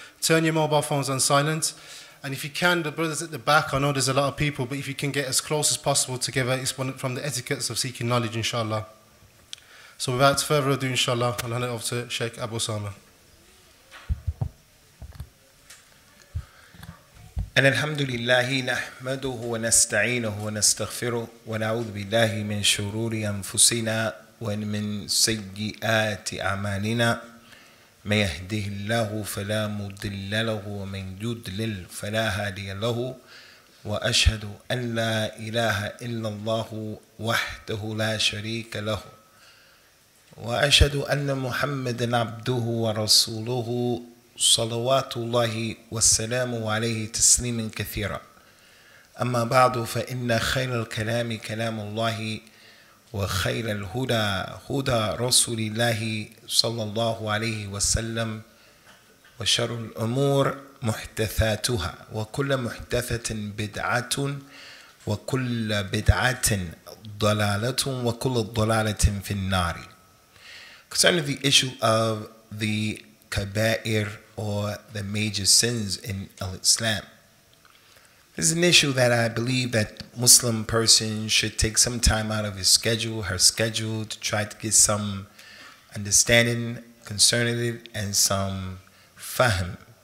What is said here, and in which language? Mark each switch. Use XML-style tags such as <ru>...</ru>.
<en>Turn your mobile phones on silent. And if you can, the brothers at the back, I know there's a lot of people, but if you can get as close as possible together, it's one from the etiquettes of seeking knowledge, inshallah. So without further ado, inshallah, I'll hand it over to Sheikh Abu Usama.</en> <ar>أن الحمد لله نحمده ونستعينه ونستغفره ونعوذ بالله من شرور أنفسنا ومن سيئات أعمالنا من يهده الله فلا مضل له ومن يضلل فلا هادي له وأشهد أن لا إله إلا الله وحده لا شريك له وأشهد أن محمدا عبده ورسوله صلوات الله والسلام عليه تسليما كثيرا أما بعد فإن خير الكلام كلام الله وخير الهدى هدى رسول الله صلى الله عليه وسلم وشر الأمور محدثاتها وكل محدثة بدعة وكل بدعة ضلالة وكل ضلالة في النار.</ar> <en>Concerning the issue of the kabair, or the major sins in Islam. This is an issue that I believe that Muslim person should take some time out of his schedule, her schedule, to try to get some understanding concerning it and some fahm.</en>